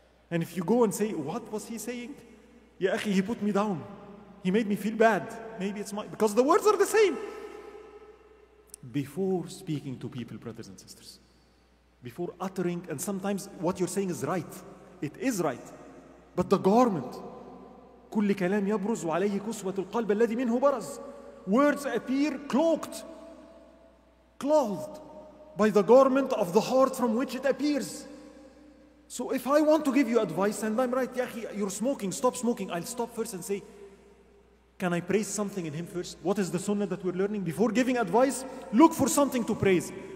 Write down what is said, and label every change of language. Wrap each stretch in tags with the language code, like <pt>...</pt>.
<en>And if you go and say, what was he saying? Ya akhi, he put me down. He made me feel bad. Maybe it's my, because the words are the same. Before speaking to people, brothers and sisters, before uttering, and sometimes what you're saying is right. It is right. But the garment,</en> <ar>كل كلام يبرز عليه كسوة القلب الذي منه برز.</ar> <en>Words appear cloaked, clothed by the garment of the heart from which it appears. So if I want to give you advice, and I'm right, Yahi, you're smoking, stop smoking. I'll stop first and say, can I praise something in him first? What is the sunnah that we're learning? Before giving advice, look for something to praise.</en>